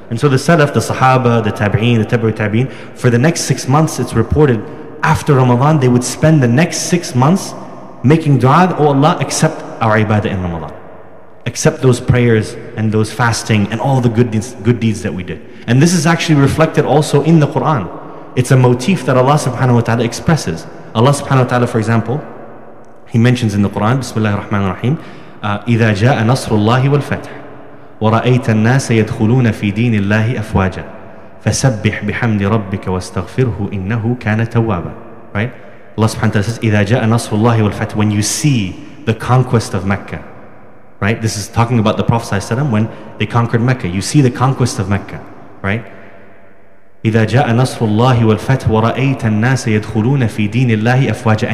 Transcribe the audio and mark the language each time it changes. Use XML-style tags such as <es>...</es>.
<en>And so the Salaf, the Sahaba, the Tabi'in, the Tabi'u Tabi'in, for the next 6 months, it's reported after Ramadan, they would spend the next 6 months making dua, oh Allah, accept our ibadah in Ramadan. Accept those prayers and those fasting and all the good deeds that we did. And this is actually reflected also in the Quran. It's a motif that Allah subhanahu wa ta'ala expresses. Allah subhanahu wa ta'ala, for example, He mentions in the Quran, Bismillah ar-Rahman ar-Rahim,</en> <ar>إِذَا جَاءَ نَصْرُ اللَّهِ وَالْفَتْحِ وَرَأَيْتَ النَّاسَ يَدْخُلُونَ فِي دِينِ اللَّهِ أَفْوَاجًا فَسَبِّحْ بِحَمْدِ رَبِّكَ وَاسْتَغْفِرْهُ إِنَّهُ كَانَ تَوَّابًا.</ar> <en>Right? Allah subhanahu wa ta'ala says,</en> <ar>إِذَا جَاءَ نَصْرُ اللَّهِ وَالْفَتْحِ.</ar> <en>When you see the conquest of Mecca, right? This is talking about the Prophet sallallahu alayhi wa sallam, when they conquered Mecca. You see the conquest of Mecca, right?</en> <ar>إِذَا جَاءَ نَصْرُ اللَّهِ وَالْفَتْحُ وَرَأَيْتَ النَّاسَ يَدْخُلُونَ فِي دِينِ اللَّهِ أَفْوَاجًا.</ar>